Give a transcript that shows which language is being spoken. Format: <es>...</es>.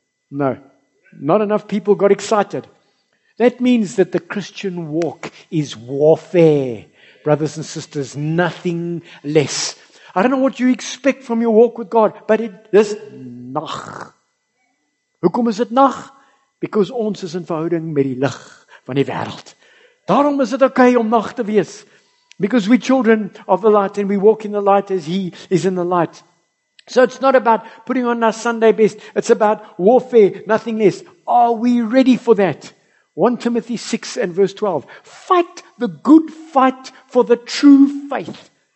<en>No, not enough people got excited. That means that the Christian walk is warfare, brothers and sisters, nothing less. I don't know what you expect from your walk with God, but it is nag.</en> <af>Hoekom is dit nag? Because ons is in verhouding met die lig van die wêreld. Daarom is dit okay om nag te wees.</af> <en>Because we're children of the light and we walk in the light as He is in the light. So it's not about putting on our Sunday best. It's about warfare, nothing less. Are we ready for that? 1 Timothy 6 and verse 12. Fight the good fight for the true faith.</en>